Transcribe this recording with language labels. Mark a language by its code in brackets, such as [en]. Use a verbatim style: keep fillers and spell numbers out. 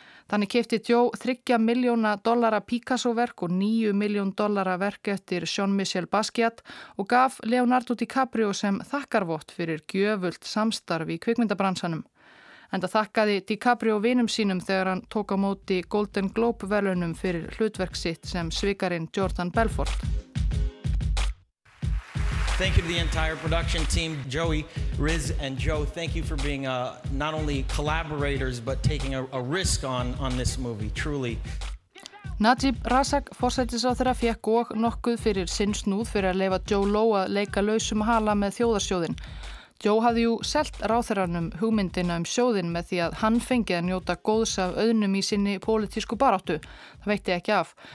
[is] Þannig keypti Joe þriggja milljóna dollara Picasso-verk og níu milljón dollara verk eftir Jean-Michel Basquiat og gaf Leonardo DiCaprio sem þakkarvott fyrir gjöfult samstarf í kvikmyndabransanum. Enda þakkaði DiCaprio vinum sínum þegar hann tók á móti Golden Globe verðlaunum fyrir hlutverk sitt sem svikarinn Jordan Belfort. [en] Thank you to the entire production team, Joey, Riz and Joe. Thank you for being uh, not only collaborators but taking a, a risk on, on this movie, truly. [is] Najib Razak, forsætisráðherra, fékk og nokkuð fyrir sinn snúð fyrir að leyfa Joe Low að leika lausum hala með þjóðarsjóðinn. Joe hafði jú selt ráðherranum hugmyndina um sjóðinn með því að hann fengi að njóta góðs af auðnum í sinni pólitísku baráttu. Það veitti ekki af.